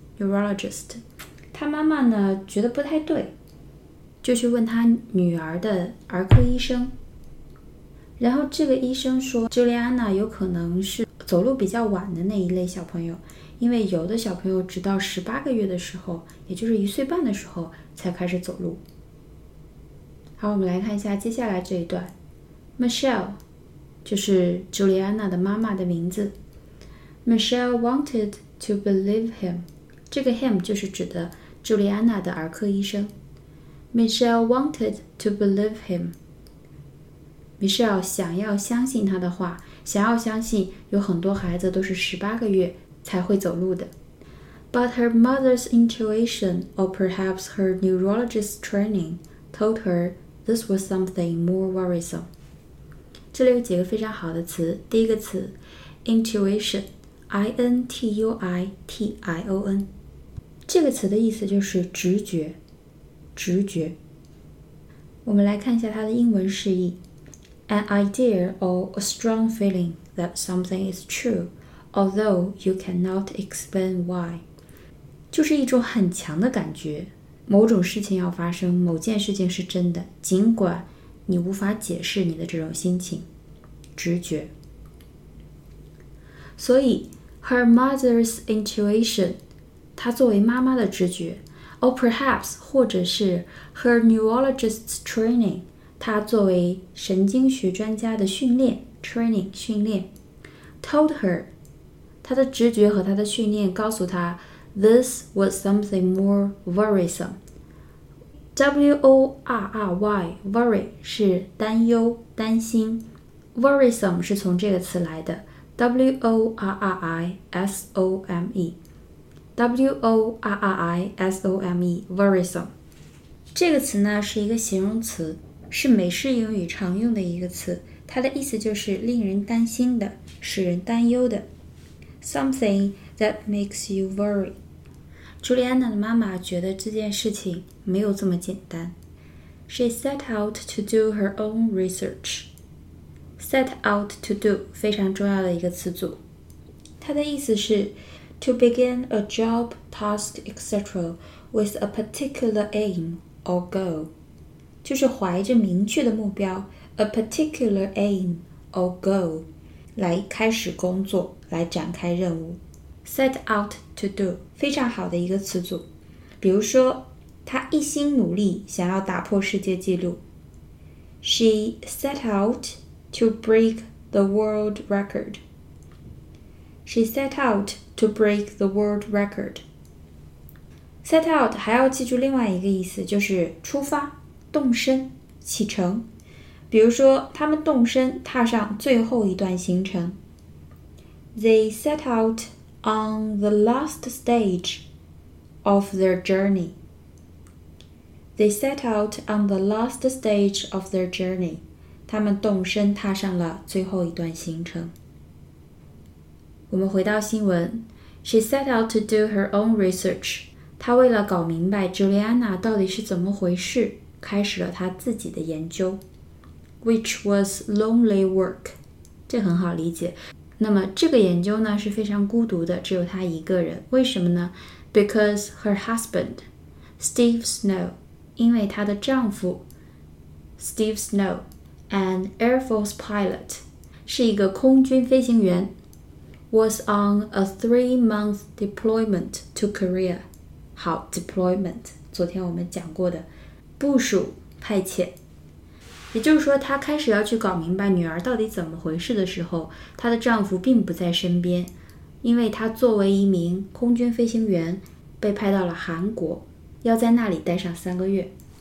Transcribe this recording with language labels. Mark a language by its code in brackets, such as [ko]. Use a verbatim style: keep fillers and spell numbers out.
[zh] Neurologist 他妈妈呢觉得不太对，就去问他女儿的儿科医生，然后这个医生说 Juliana 有可能是走路比较晚的那一类小朋友，因为有的小朋友直到十八个月的时候，也就是一岁半的时候才开始走路。好，我们来看一下接下来这一段。Michelle 就是 Juliana 的妈妈的名字。 [en] Michelle wanted to believe him， [zh] 这个 him 就是指的 Juliana 的儿科医生。 [en] Michelle wanted to believe him， [zh] Michelle 想要相信他的话，想要相信有很多孩子都是十八个月才会走路的。 [en] But her mother's intuition, or perhaps her neurologist's training, told her this was something more worrisome。 [zh] 这里有几个非常好的词。第一个词 intuition， I N T U I T I O N， 这个词的意思就是直觉，直觉。我们来看一下它的英文释义。 [en] An idea or a strong feeling that something is true although you cannot explain why， [zh] 就是一种很强的感觉，某种事情要发生，某件事情是真的，尽管你无法解释你的这种心情，直觉。所以 [en] her mother's intuition， [zh] 她作为妈妈的直觉， [en] or perhaps [zh] 或者是 [en] her neurologist's training， [zh] 她作为神经学专家的训练 training 训练 [en] told her， [zh] 她的直觉和她的训练告诉她 [en] This was something more worrisome. [zh] W O R R Y, worry 是担忧、担心。 Worrisome 是从这个词来的。 [en] W O R R I S O M E W O R R I S O M E, worrisome。 [zh] 这个词呢是一个形容词，是美式英语常用的一个词。它的意思就是令人担心的，使人担忧的。 [en] Something that makes you worry。 [zh] 朱莉安娜的妈妈觉得这件事情没有这么简单。 [en] She set out to do her own research。 Set out to do [zh] 非常重要的一个词组，它的意思是 [en] to begin a job, task, et cetera with a particular aim or goal， [zh] 就是怀着明确的目标 [en] a particular aim or goal [zh] 来开始工作，来展开任务。 Set out to do 非常好的一个词组，比如说她一心努力想要打破世界纪录。 [en] She set out to break the world record. She set out to break the world record. [zh] Set out 还要记住另外一个意思，就是出发、动身、启程。比如说他们动身踏上最后一段行程。 [en] They set out on the last stage of their journey. They set out on the last stage of their journey. [zh] 他们动身踏上了最后一段行程。我们回到新闻。 She set out to do her own research. 她为了搞明白 Juliana 到底是怎么回事，开始了她自己的研究。 [en] Which was lonely work. [zh] 这很好理解。那么这个研究呢是非常孤独的，只有她一个人。为什么呢？ [en] Because her husband, Steve Snow， [zh] 因为她的丈夫 [en] Steve Snow, an Air Force pilot， [zh] 是一个空军飞行员， [en] was on a three-month deployment to Korea。 [zh] 好， deployment 昨天我们讲过的部署派遣。也就是说，她开始要去搞明白女儿到底怎么回事的时候，她的丈夫并不在身边，因为她作为一名空军飞行员被派到了韩国，要在那里待上三个月。